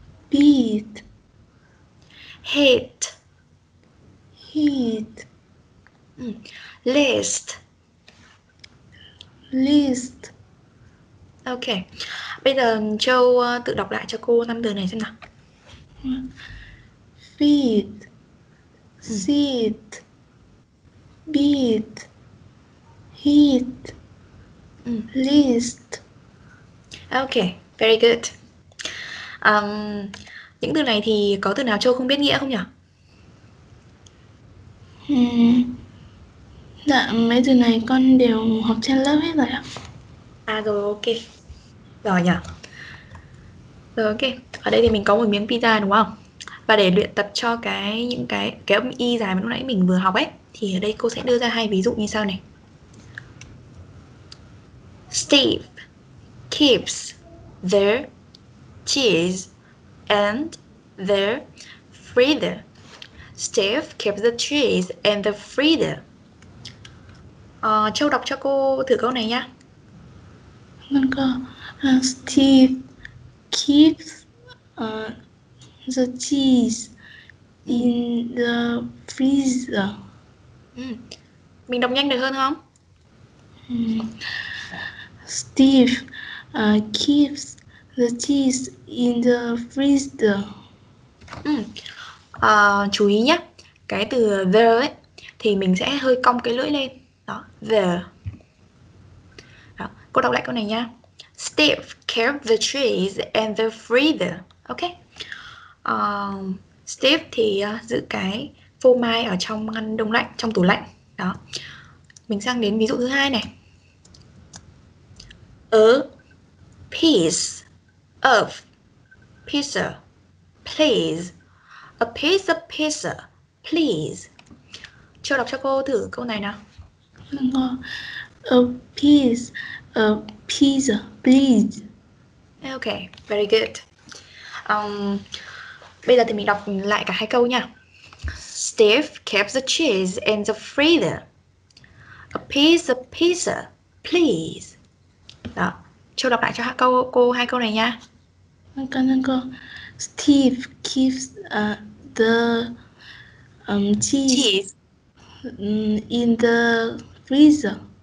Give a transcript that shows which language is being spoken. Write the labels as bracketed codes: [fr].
[en] beat, hit, heat, list, list. [vi] Ok, bây giờ Châu tự đọc lại cho cô năm từ này xem nào. [en] Feet, seat, beat, heat, list. Ok, very good. [vi] Những từ này thì có từ nào Châu không biết nghĩa không nhỉ? Dạ, mấy từ này con đều học trên lớp hết rồi ạ. À rồi, ok. Rồi nhỉ. Rồi, ok. Ở đây thì mình có một miếng pizza đúng không? Và để luyện tập cho cái những cái âm y dài mà lúc nãy mình vừa học ấy, thì ở đây cô sẽ đưa ra hai ví dụ như sau này. [en] Steve keeps their cheese and their freezer. Steve keeps the cheese and the freezer. [vi] Châu đọc cho cô thử câu này nhá. Vâng cô. [en] Steve keeps the cheese in the freezer. [vi] Mình đọc nhanh được hơn không? [en] Steve keeps the cheese in the freezer. [vi] Chú ý nhé. Cái từ the ấy thì mình sẽ hơi cong cái lưỡi lên. Đó, the. Đó, cô đọc lại câu này nha. [en] Steve kept the cheese and the freezer. Ok. [vi] Steve thì giữ cái phô mai ở trong ngăn đông lạnh, trong tủ lạnh. Đó. Mình sang đến ví dụ thứ hai này. [en] A piece of pizza, please. A piece of pizza, please. [vi] Châu đọc cho cô thử câu này nào. [en] A piece of pizza, please. Ok, very good. [vi] Bây giờ thì mình đọc lại cả hai câu nha. [en] Steve kept the cheese in the freezer. A piece of pizza, please. [vi] Đó, Châu đọc lại cho cô hai câu này nha. Cảm ơn cô. [en] Steve keeps the cheese in the freezer.